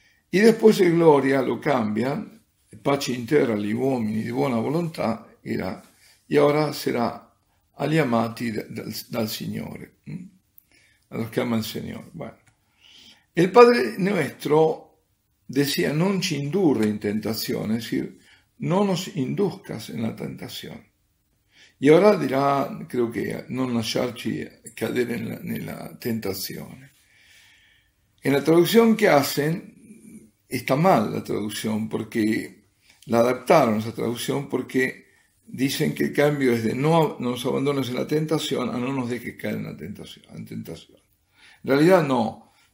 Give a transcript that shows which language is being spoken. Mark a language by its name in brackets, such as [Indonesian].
[Spanish] Y después de gloria lo cambian, [Italian] pace in terra agli uomini di buona volontà, [Spanish] era, y ahora será [Italian] agli amati dal Signore, [Spanish] a los que ama el Señor. Bueno, el Padre nuestro decía, [Italian] non ci indurre in tentazione, [Spanish] es decir, no nos induzcas en la tentación. Y ahora dirá, creo que, [Italian] non lasciarci cadere nella tentazione. [Spanish] En la traducción que hacen, está mal la traducción, porque la adaptaron esa traducción, porque dicen que el cambio es de no nos abandones en la tentación a no nos dejes caer en la tentación. En tentación. En realidad no.